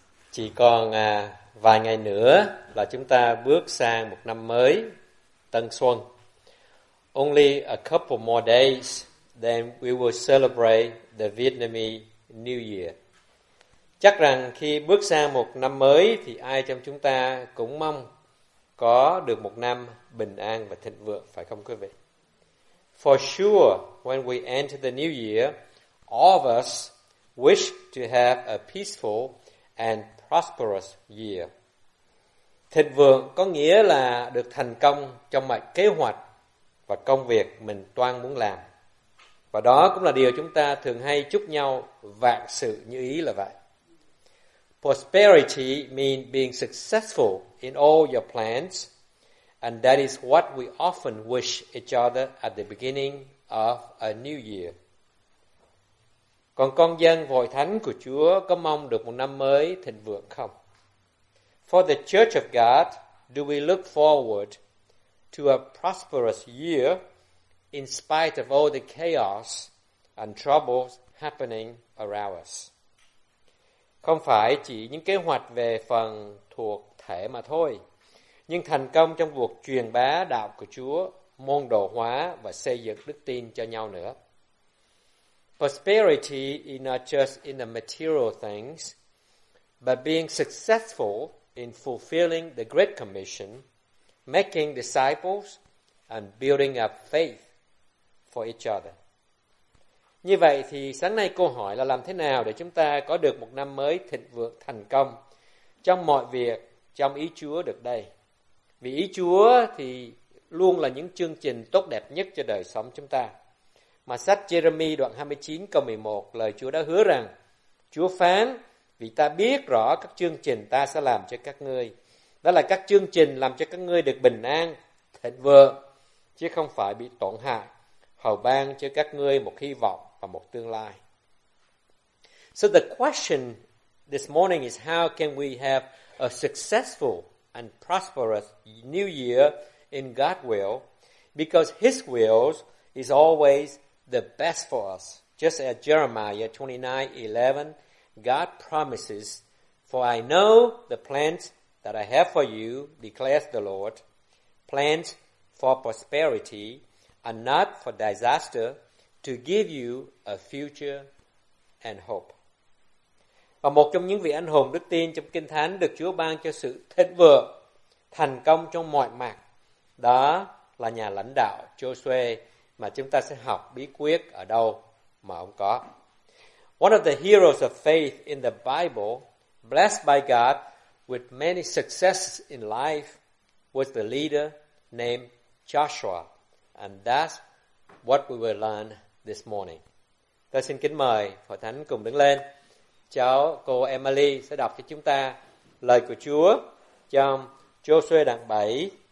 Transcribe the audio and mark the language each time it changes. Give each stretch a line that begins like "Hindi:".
Vietnamese: Chỉ còn vài ngày nữa là chúng ta bước sang một năm mới, Tân Xuân.
English: Only a couple more days, then we will celebrate the Vietnamese New Year.
Vietnamese: Chắc rằng khi bước sang một năm mới thì ai trong chúng ta cũng mong có được một năm bình an và thịnh vượng, phải không quý vị?
English: For sure, when we enter the new year, all of us wish to have a peaceful and prosperous year.
Vietnamese: Thịnh vượng có nghĩa là được thành công trong mọi kế hoạch và công việc mình toan muốn làm. Và đó cũng là điều chúng ta thường hay chúc nhau, vạn sự như ý là vậy.
English: Prosperity means being successful in all your plans, and that is what we often wish each other at the beginning of a new year.
Vietnamese: Còn con dân và hội thánh của Chúa có mong được một năm mới thịnh vượng không?
English: For the Church of God, do we look forward to a prosperous year in spite of all the chaos and troubles happening around us?
Vietnamese: Không phải chỉ những kế hoạch về phần thuộc thể mà thôi, nhưng thành công trong cuộc truyền bá đạo của Chúa, môn đồ hóa và xây dựng đức tin cho nhau nữa.
English: Prosperity is not just in the material things, but being successful in fulfilling the Great Commission, making disciples and building up faith for each other.
Vietnamese: Như vậy thì sáng nay câu hỏi là làm thế nào để chúng ta có được một năm mới thịnh vượng thành công trong mọi việc trong ý Chúa được đây? Vì ý Chúa thì luôn là những chương trình tốt đẹp nhất cho đời sống chúng ta. Mà sách Jeremy đoạn 29 câu 11, lời Chúa đã hứa rằng, Chúa phán, vì ta biết rõ các chương trình ta sẽ làm cho các ngươi. Đó là các chương trình làm cho các ngươi được bình an, thịnh vượng, chứ không phải bị tổn hại, hầu ban cho các ngươi một hy vọng và một tương lai.
English: So the question this morning is how can we have a successful and prosperous new year in God's will, because His will is always the best for us. Just as Jeremiah 29:11, God promises, "For I know the plans that I have for you," declares the Lord, "plans for prosperity and not for disaster, to give you a future and hope."
Vietnamese: Và một trong những vị anh hùng đức tin trong Kinh Thánh được Chúa ban cho sự thịnh vượng, thành công trong mọi mặt, đó là nhà lãnh đạo Joshua, mà chúng ta sẽ học bí quyết ở đâu mà ông có.
English: One of the heroes of faith in the Bible, blessed by God with many successes in life, was the leader named Joshua. And that's what we will learn this morning.
Vietnamese: Tôi xin kính mời Hội Thánh cùng đứng lên. Cháu cô Emily sẽ đọc cho chúng ta lời của Chúa trong Joshua đoạn 7.